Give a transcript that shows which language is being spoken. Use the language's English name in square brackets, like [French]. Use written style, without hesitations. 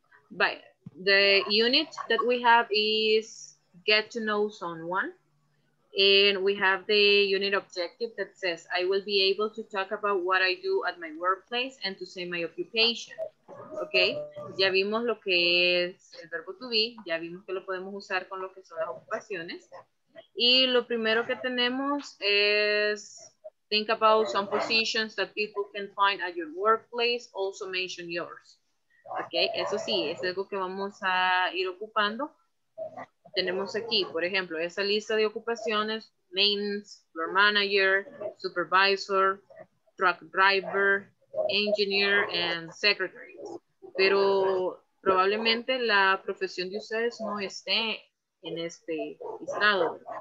[English] Vaya, the unit that we have is get to know someone. And we have the unit objective that says, I will be able to talk about what I do at my workplace and to say my occupation. [Spanish] Okay, ya vimos lo que es el verbo to be, ya vimos que lo podemos usar con lo que son las ocupaciones. Y lo primero que tenemos es [English] think about some positions that people can find at your workplace, also mention yours. [Spanish] Okay, eso sí, es algo que vamos a ir ocupando. Tenemos aquí, por ejemplo, esa lista de ocupaciones, [English] maintenance, floor manager, supervisor, truck driver, engineer, and secretary. [Spanish] Pero probablemente la profesión de ustedes no esté en este listado.